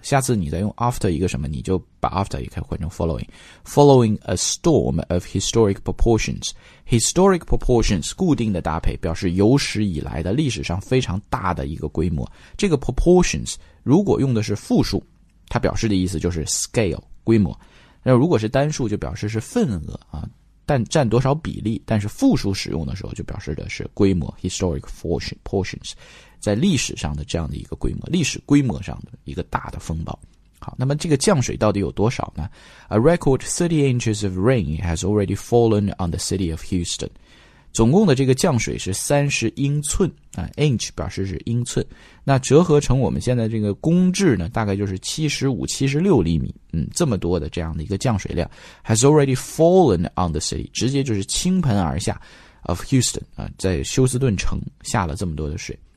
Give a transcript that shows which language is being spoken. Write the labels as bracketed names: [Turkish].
[Chinese] 下次你再用 after 一个什么，你就把 after 也可以换成 following, [English] following a storm of historic proportions, [Chinese] historic proportions 固定的搭配表示有史以来的历史上非常大的一个规模，这个 proportions 如果用的是复数它表示的意思就是 scale, 规模，那如果是单数就表示是份额啊，但占多少比例，但是复数使用的时候就表示的是规模 historic portions, 在历史上的这样的一个规模，历史规模上的一个大的风暴。好，那么这个降水到底有多少呢？ [English] A record 30 inches of rain has already fallen on the city of Houston. [Chinese] 总共的这个降水是30英寸啊 ,inch 表示是英寸。那折合成我们现在这个公制呢大概就是75-76厘米，嗯，这么多的这样的一个降水量。 [English] Has already fallen on the city, [Chinese] 直接就是倾盆而下 of Houston, 啊，在休斯顿城下了这么多的水。